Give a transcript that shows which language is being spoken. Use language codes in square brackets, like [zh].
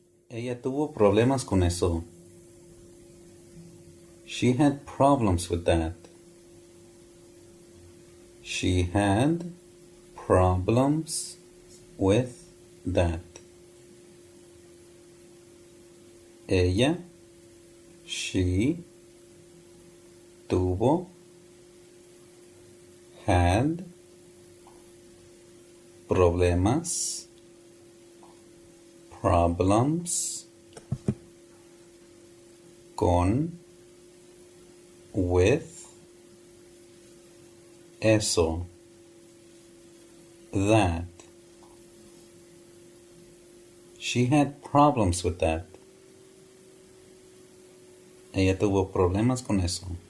[es] Ella tuvo problemas con eso. [en] She had problems with that. She had problems with that. [es] Ella, [en] she, [es] tuvo, [en] had [es] problemas, [en] problems [es] con, [en] with, [es] eso, [en] that. She had problems with that. [es] Ella tuvo problemas con eso.